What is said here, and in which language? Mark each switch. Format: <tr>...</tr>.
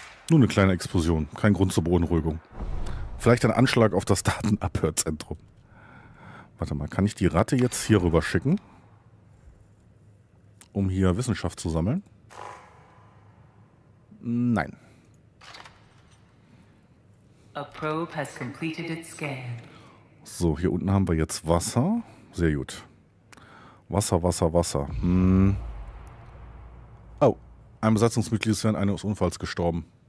<de>Nur eine kleine Explosion. Kein Grund zur Beunruhigung. Vielleicht ein Anschlag auf das Datenabhörzentrum. Warte mal, kann ich die Ratte jetzt hier rüber schicken? Um hier Wissenschaft zu sammeln? Nein.</de> <en>A probe has completed its scan.</en> <de>So, hier unten haben wir jetzt Wasser. Sehr gut. Wasser, Wasser, Wasser. Oh, ein Besatzungsmitglied ist während eines Unfalls gestorben.</de>